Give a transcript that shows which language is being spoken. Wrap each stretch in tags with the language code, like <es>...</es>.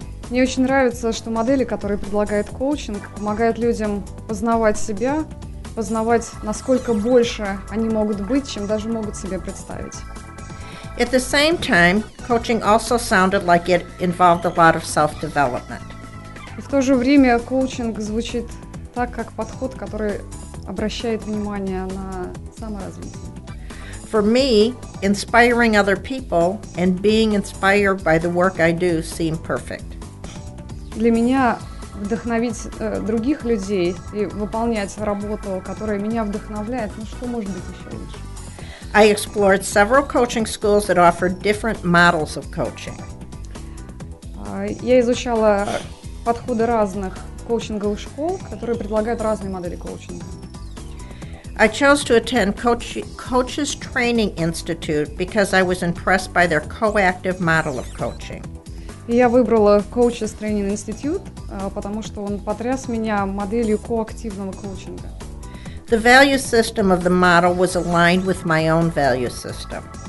<ru>Мне очень нравится, что модели, которые предлагает коучинг, помогают людям познавать себя, познавать, насколько больше они могут быть, чем даже могут себе представить.</ru> <en>At the same time, coaching also sounded like it involved a lot of self-development.</en> <ru>И в то же время коучинг звучит так, как подход, который обращает внимание на саморазвитие.</ru> <en>For me, inspiring other people and being inspired by the work I do seem perfect.</en> <ru>Для меня вдохновить других людей и выполнять работу, которая меня вдохновляет, ну что может быть еще лучше?</ru> <en>I explored several coaching schools that offered different models of coaching.</en> <ru>Я изучала подходы разных коучинговых школ, которые предлагают разные модели коучинга.</ru> <en>I chose to attend Coaches Training Institute because I was impressed by their co-active model of coaching.</en> <ru>Я выбрала Coaches Training Institute, потому что он потряс меня моделью коактивного коучинга.</ru> <en>The value system of the model was aligned with my own value system.</en>